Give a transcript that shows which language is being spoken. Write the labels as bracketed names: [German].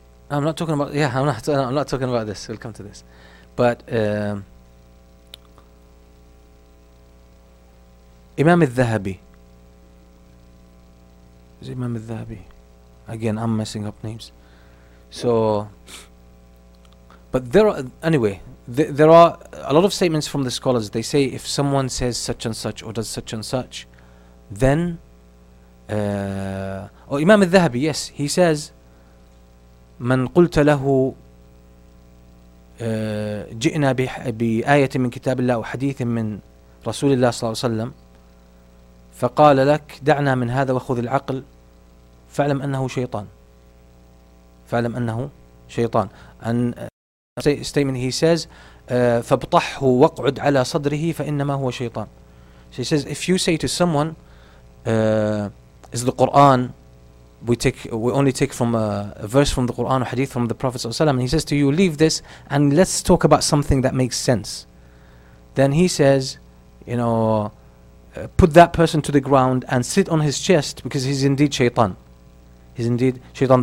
[English] I'm not talking about, I'm not talking about this. We'll come to this. But Imam al-Dhahabi. Is Imam al-Dhahabi? Again, I'm messing up names. So, but there are, anyway, there are a lot of statements from the scholars. They say if someone says such and such or does such and such, then, Imam al-Dhahabi, yes, he says, [Arabic] من قلت له جئنا بآية من كتاب الله وحديث من رسول الله صلى الله عليه وسلم فقال لك دعنا من هذا وخذ العقل فاعلم أنه شيطان فاعلم أنه شيطان [English] and statement he says [Arabic] فابطحه واقعد على صدره فإنما هو شيطان. [English] So he says if you say to someone is the Quran, we only take from a verse from the Quran or hadith from the Prophet ﷺ, and he says to you, leave this and let's talk about something that makes sense. Then he says, you know, put that person to the ground and sit on his chest, because he's indeed shaitan. He's indeed shaitan.